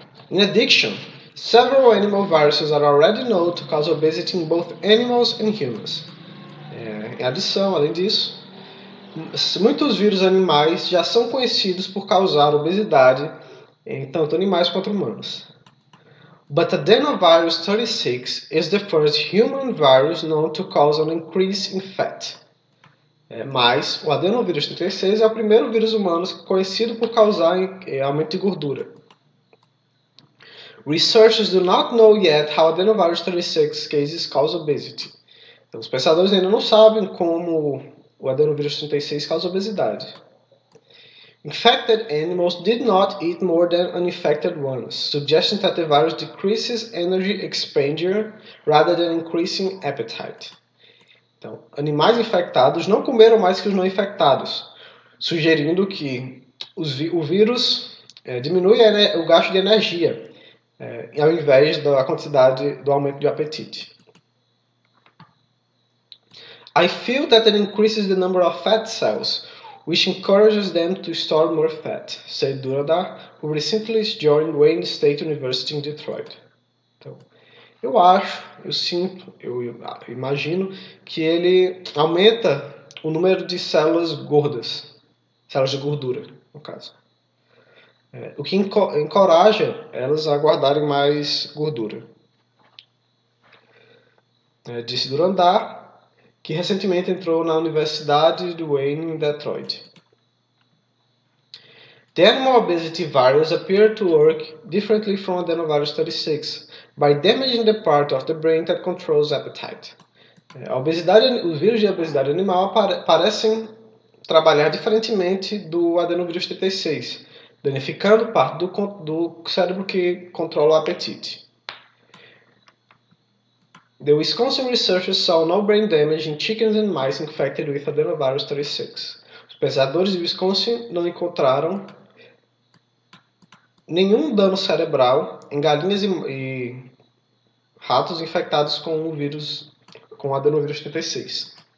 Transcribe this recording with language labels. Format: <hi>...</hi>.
<en>In addition, several animal viruses are already known to cause obesity in both animals and humans.</en> <pt>Em adição, além disso, muitos vírus animais já são conhecidos por causar obesidade em tanto animais quanto humanos.</pt> <en>But adenovirus 36 is the first human virus known to cause an increase in fat.</en> <pt>Mas o adenovírus 36 é o primeiro vírus humano conhecido por causar aumento de gordura.</pt> <en>Researchers do not know yet how adenovirus 36 cases cause obesity.</en> <pt>Então, os pesquisadores ainda não sabem como o adenovírus 36 causa obesidade.</pt> <en>Infected animals did not eat more than uninfected ones, suggesting that the virus decreases energy expenditure rather than increasing appetite.</en> <pt>Então, animais infectados não comeram mais que os não infectados, sugerindo que o vírus diminui o gasto de energia, ao invés da quantidade do aumento de apetite.</pt> <en>I feel that it increases the number of fat cells, which encourages them to store more fat, said Durada, who recently joined Wayne State University in Detroit.</en> <pt>Então, eu acho, eu sinto, eu imagino que ele aumenta o número de células gordas, células de gordura, no caso. O que encoraja elas a guardarem mais gordura. Disse Durandar, que recentemente entrou na Universidade de Wayne, em Detroit.</pt> <en>The animal obesity virus appear to work differently from adenovirus 36 by damaging the part of the brain that controls appetite.</en> <pt>Os vírus de obesidade animal parecem trabalhar diferentemente do adenovírus 36, danificando parte do cérebro que controla o apetite.</pt> <en>The Wisconsin researchers saw no brain damage in chickens and mice infected with adenovirus 36.</en> <pt>Os pesquisadores de Wisconsin não encontraram nenhum dano cerebral em galinhas e ratos infectados com adenovírus 36.</pt>